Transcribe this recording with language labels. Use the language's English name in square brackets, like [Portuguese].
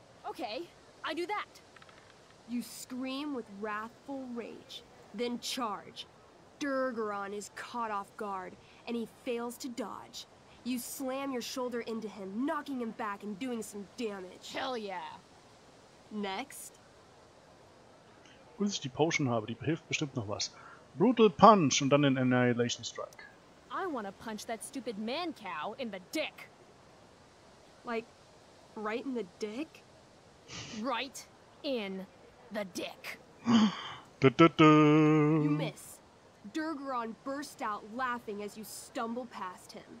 [English] Okay, I do that. You scream with wrathful rage, then charge. Durgeron is caught off guard, and he fails to dodge. You slam your shoulder into him, knocking him back and doing some damage. Hell yeah. Next. [German] Gut, dass ich die Potion habe, die hilft bestimmt noch was. Brutal Punch und dann den Annihilation Strike. [English] I want to punch that stupid man cow in the dick. Like, right in the dick? Right in the dick. Du-du-du. You miss. Durgeron burst out laughing as you stumble past him.